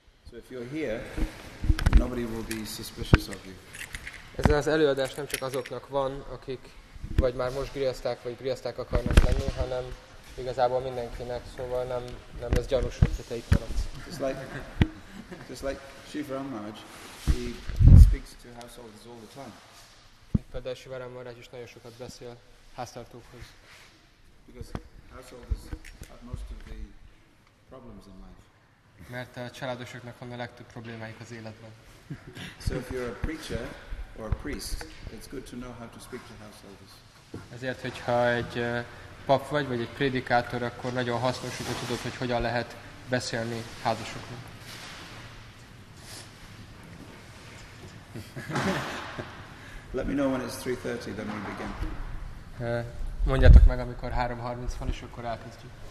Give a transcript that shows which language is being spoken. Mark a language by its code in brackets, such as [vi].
[en] So if you're here, nobody will be suspicious of you. [hu] Ezen az előadás nem csak azoknak van, akik vagy már most griaszták, vagy griaszták akarnak lenni, hanem igazából mindenkinek, szóval nem lesz gyanús, hogy te itt vagy. [en] Just like Shiva Maharaj, he speaks to householders all the time. [hu] Például Shiva Maharaj is nagyon sokat beszél háztartókhoz. [en] Because householders have most of the problems in life. [hu] Mert a családosoknak van a legtöbb problémáik az életben. [en] So if you're a preacher or a priest, it's good to know how to speak to householders. [hu] Ezért, hogyha egy pap vagy egy prédikátor, akkor nagyon hasznos, hogy tudod, hogy hogyan lehet beszélni házasoknak. [en] Let me know when it's 3:30, then we begin. [hu] Mondjátok meg, amikor 3:30 van, és akkor elkezdjük.